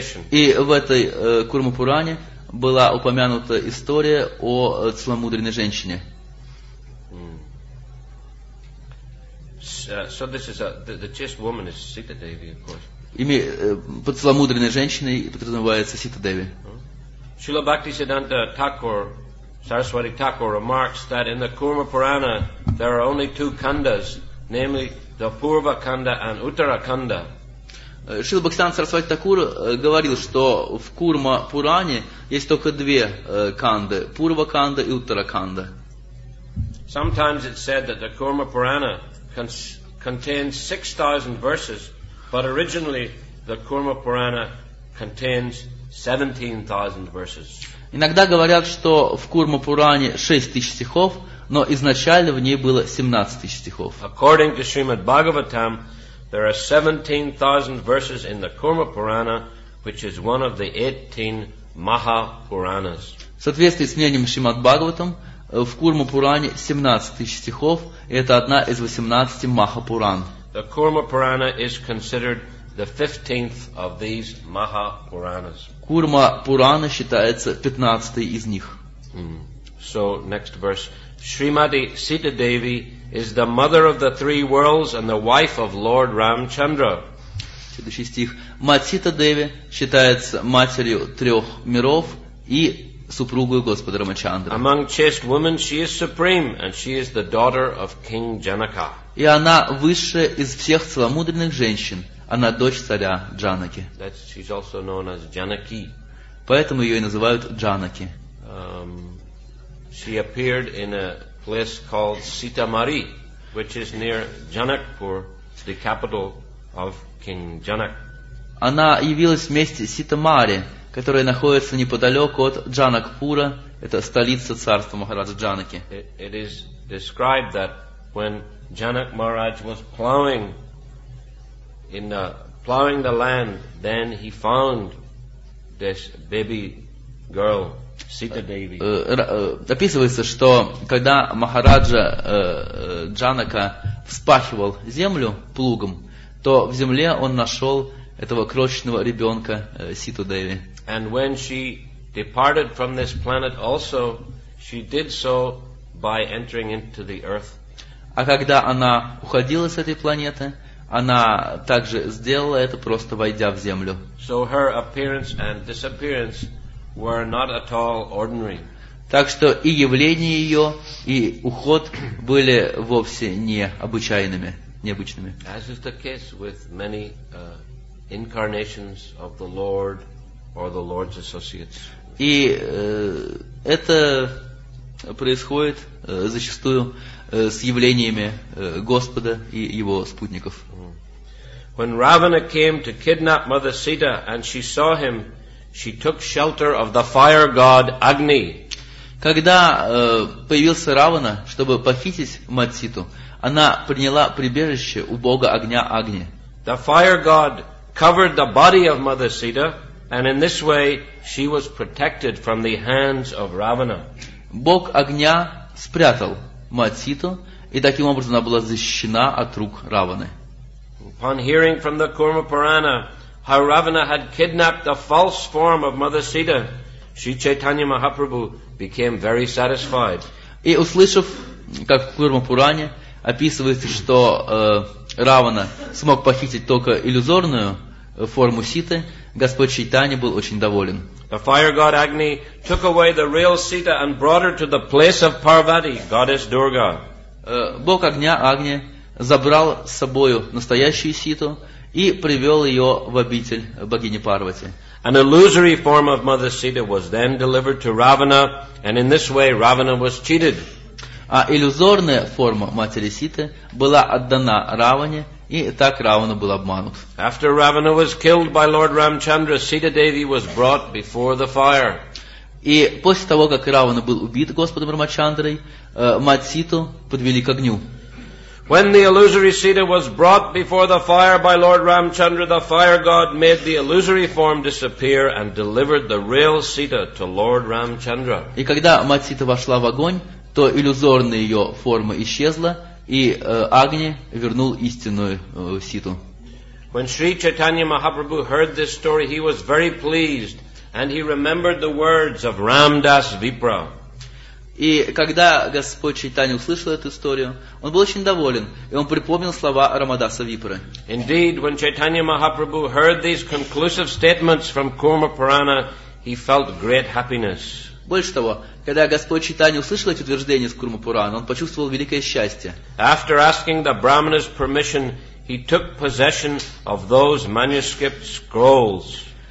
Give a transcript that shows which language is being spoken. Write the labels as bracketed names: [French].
[Russian] И в этой Курма Пуране была упомянута история о целомудренной женщине. [English] So this is the chaste woman is Sita Devi, of course. [Russian] Под целомудренной женщиной подразумевается Сита Деви. [English] Srila Bhaktisiddhanta Thakur, Saraswati Thakur, remarks that in the Kurma Purana there are only two khandas, namely the Purva Khanda and Uttara Khanda. [Russian] Srila Bhaktisiddhanta Saraswati Thakur говорил, что в Курма Пуране есть только две канды, Пурва Канда и Уттара Канда. [English] Sometimes it's said that the Kurma Purana contains 6,000 verses, but originally the Kurma Purana contains 17,000 verses. [Russian] Иногда говорят, что в Курма Пуране 6,000 стихов, но изначально в ней было 17,000 стихов. [English] According to Srimad Bhagavatam, there are 17,000 verses in the Kurma Purana, which is one of the 18 Mahapuranas. [Russian] В соответствии с мнением Шримад Бхагаватам, в Курма Пуране 17,000 стихов, и это одна из 18 Махапуран. [English] The Kurma Purana is considered the 15th of these Mahapuranas. [Russian] Курма Пурана считается 15-й из них. [English] So, next verse. Shrimati Sita Devi is the mother of the three worlds and the wife of Lord Ramchandra. [Russian] Следующий стих. Мать Сита Деви считается матерью трех миров и супругой Господа Рамачандры. [English] Among chaste women, she is supreme, and she is the daughter of King Janaka. [Russian] И она высшая из всех целомудренных женщин. Она дочь царя Джанаки. [English] She's also known as Janaki. [Russian] Поэтому ее и называют Джанаки. [English] She appeared in a place called Sitamari, which is near Janakpur, the capital of King Janak. [Russian] Она явилась в месте Ситамари, которая находится неподалеку от Джанакпура, это столица царства Махараджа Джанаки. [English] It is described that when Janak Maharaj was plowing the land, then he found this baby girl, Sita Devi. [Russian] Описывается, что когда Махараджа Джанака вспахивал землю плугом, то в земле он нашел этого крошечного ребенка Ситу Деви. [English] And when she departed from this planet also, she did so by entering into the earth. [Russian] А когда она уходила с этой планеты, она также сделала это, просто войдя в землю. [English] So her appearance and disappearance were not at all ordinary. [Russian] Так что и явление ее, и уход были вовсе необычайными, необычными. [English] As is the case with many incarnations of the Lord or the Lord's associates. [Russian] И это происходит зачастую с явлениями Господа и его спутников. [English] When Ravana came to kidnap Mother Sita and she saw him, she took shelter of the fire god Agni. [Russian] Когда появился Равана, чтобы похитить мать Ситу, она приняла прибежище у бога огня Агни. [English] The fire god covered the body of Mother Sita, and in this way she was protected from the hands of Ravana. [Russian] Бог огня спрятал мать Ситу, и таким образом она была защищена от рук Раваны. [English] Upon hearing from the Kurma Purana how Ravana had kidnapped the false form of Mother Sita, Sri Chaitanya Mahaprabhu became very satisfied. [Russian] И услышав, как в Курма Пуране описывается, что Равана смог похитить только иллюзорную форму Ситы, Господь Чайтанья был очень доволен. [English] The fire god Agni took away the real Sita and brought her to the place of Parvati, goddess Durga. [Russian] Бог огня Агни забрал с собою настоящую Ситу и привел ее в обитель богини Парвати. [English] An illusory form of Mother Sita was then delivered to Ravana, and in this way Ravana was cheated. [Russian] А иллюзорная форма матери Ситы была отдана Раване, и так Равана был обманут. [English] After Ravana was killed by Lord Ramchandra, Sita Devi was brought before the fire. [Russian] И после того, как Равана был убит Господом Рамачандрой, мать Ситу подвели к огню. [English] When the illusory Sita was brought before the fire by Lord Ramchandra, the fire god made the illusory form disappear and delivered the real Sita to Lord Ramchandra. [Russian] И когда мать Сита вошла в огонь, то иллюзорная ее форма исчезла, и Агни вернул истинную Ситу. [English] When Sri Chaitanya Mahaprabhu heard this story, he was very pleased, and he remembered the words of Ramdas Vipra. [Russian] И когда Господь Чайтанья услышал эту историю, он был очень доволен, и он припомнил слова Рамадаса Випры. [English] Indeed, when Chaitanya Mahaprabhu heard these conclusive statements from Kurma Purana, he felt great happiness. [Russian] Больше того, когда Господь Чайтанья услышал эти утверждения из Курма Пурана, он почувствовал великое счастье. [English] After asking the Brahmana's permission, he took possession of those manuscript scrolls.